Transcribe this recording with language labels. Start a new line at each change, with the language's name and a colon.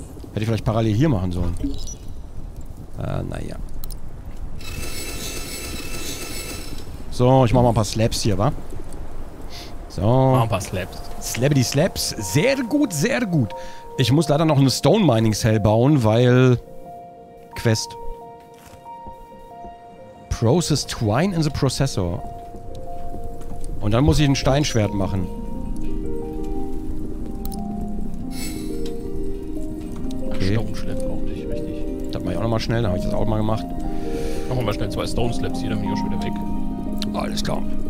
German: Hätte ich vielleicht parallel hier machen sollen. Naja. So, ich mach mal ein paar Slabs hier, wa? So. Mach ein paar Slabs. Slabity Slabs. Sehr gut, sehr gut. Ich muss leider noch eine Stone Mining Cell bauen, weil... Quest.
English: Process Twine in the Processor.
German: Und dann muss ich ein Steinschwert machen. Okay. Stone Slab brauch ich, richtig. Das mach ich auch nochmal schnell, da habe ich das auch mal gemacht. Machen wir mal schnell zwei Stone Slabs hier, dann bin ich auch schon wieder weg. Alles klar.